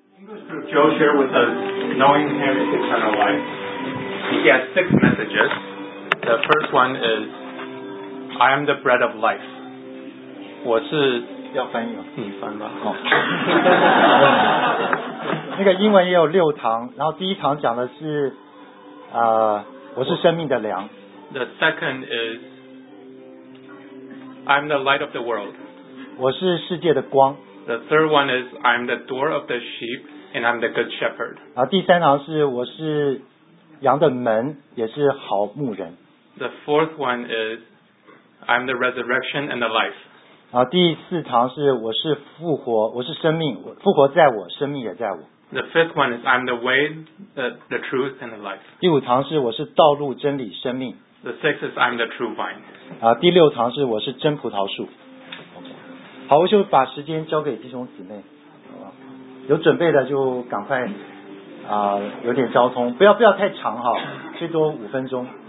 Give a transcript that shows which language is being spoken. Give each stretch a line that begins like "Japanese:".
English: Joe share with us, knowing him, his eternal life? He has six messages. The first one is, I am the bread of life.
Chinese: 我是要翻译吗？你翻吧。哦、那个英文也有六堂，然后第一堂讲的是，我是生命的粮。
English: The second is, I'm the light of the world.
Chinese: 我是世界的光。
English: The third one is, I'm the door of the sheep, and I'm the good shepherd.
Chinese: 然后第三堂是我是羊的门，也是好牧人。
English: The fourth one is, I'm the resurrection and the life.
Chinese: 然后第四堂是我是复活，我是生命，复活在我，生命也在我。
English: The fifth one is I'm the way, the truth and the life.
Chinese: 第五堂是我是道路、真理、生命。
English: The sixth is I'm the true vine.
Chinese: 啊，第六堂是我是真葡萄树。好，我就把时间交给弟兄姊妹，有准备的就赶快啊，有点交通，不要太长哈，最多五分钟。